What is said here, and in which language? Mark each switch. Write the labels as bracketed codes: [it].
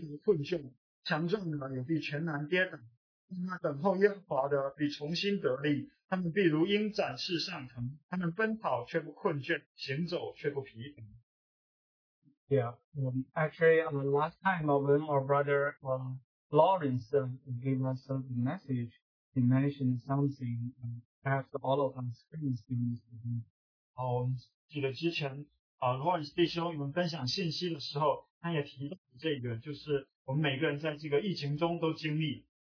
[zh] 29节，疲乏的他自能力，软弱的他加力量，就是圣灵里一样疲乏困倦，强壮的也必全然跌倒。他们等候耶和华的必重新得力，他们必如鹰展翅上腾，他们奔跑却不困倦，行走却不疲乏。 [en] Yeah, actually, last time when our brother Lawrence gave us a message, he mentioned something perhaps all of us experienced. [zh] 好，我们记得之前Lawrence弟兄与我们分享信息的时候，他也提到这个，就是我们每个人在这个疫情中都经历。